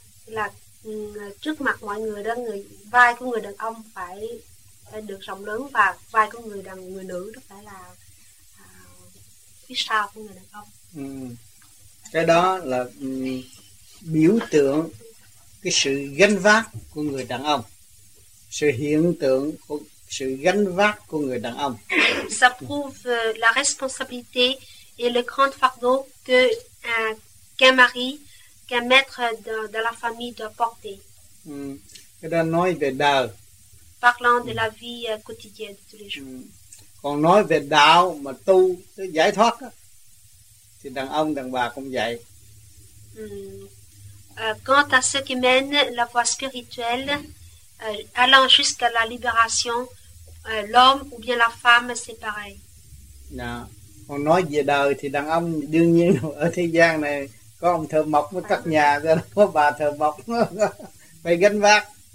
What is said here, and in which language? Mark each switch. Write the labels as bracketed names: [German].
[Vietnamese] là trước mặt mọi người đó, người vai của người đàn ông phải được rộng lớn và vai của người đàn người nữ đó phải là phía sau của người đàn ông. Cái đó là biểu tượng cái sự gánh vác của người đàn ông, sự hiện tượng của sự gánh vác của người đàn ông. [French] Ça prouve la responsabilité et le grand fardeau que qu'un mari, qu'un maître de la famille doit porter. [Vietnamese] Cái đó nói về đạo. [French] Parlant de la vie quotidienne de tous les jours. [Vietnamese] Còn nói về đạo mà tu tới giải thoát đó, thì đàn ông đàn bà cũng vậy. [French] Quant à ceux qui mènent la voie spirituelle allant jusqu'à la libération, l'homme ou bien la femme, c'est pareil. [Vietnamese] On nói về đời thì đàn ông đương nhiên ở thế gian này có ông thợ mộc mới cắt nhà, ra có bà thợ mộc phải gánh vác.